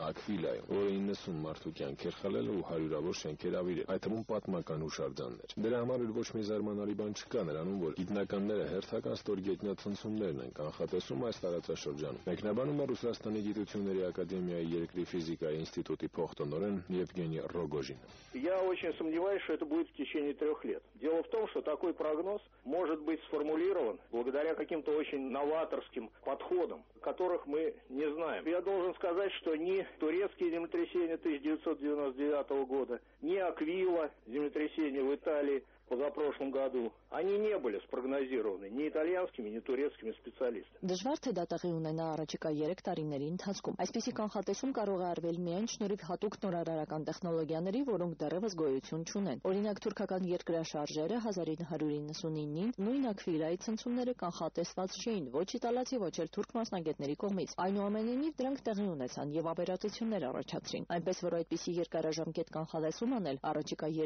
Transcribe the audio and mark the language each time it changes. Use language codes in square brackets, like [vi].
[hy] Ակվիլայում, որը 90 մարդու կյանք էր խլել ու 100-ավոր շենքեր ավիրել, այդ թվում պատմական հուշարձաններ։ Դրա համար էլ ոչ մի զարմանալի բան չկա նրանում, որ գիտնականները հերթական ստորգետնյա ցնցումներն են կանխատեսում այս տարածաշրջանում։ Մեկնաբանում է Ռուսաստանի Գիտությունների Ակադեմիայի երկրի ֆիզիկայի ինստիտուտի փոխտնօրեն Եվգենի Ռոգոժինը։ [ru] Я очень сомневаюсь, что это будет в течение 3 лет. Дело в том, что такой прогноз может быть сформулирован благодаря каким-то очень новаторским подходам, которых мы не знаем. Я должен сказать, что ни турецкие землетрясения 1999 года, ни Аквила землетрясения в Италии позапрошлом году, они не были спрогнозированы ни итальянскими, ни турецкими специалистами. [hy] Դժվար թե դատաղի ունենա առաջիկա 3 տարիների ընթացքում։ Այսպիսի կանխատեսում կարող է արվել միայն շնորհիվ հատուկ նորարարական տեխնոլոգիաների, որոնք դեռևս գոյություն չունեն։ Օրինակ, թուրքական երկրաշարժերը 1999-ին նույն ակվիլայի ցնցումները կանխատեսված չէին ոչ իտալացի, ոչ էլ թուրք մասնագետների կողմից։ Այնուամենայնիվ, դրանք տեղի ունեցան եւ աբերատություններ առաջացրին, այնպես որ այդպիսի երկարաժամկետ կանխատեսում անել առաջիկա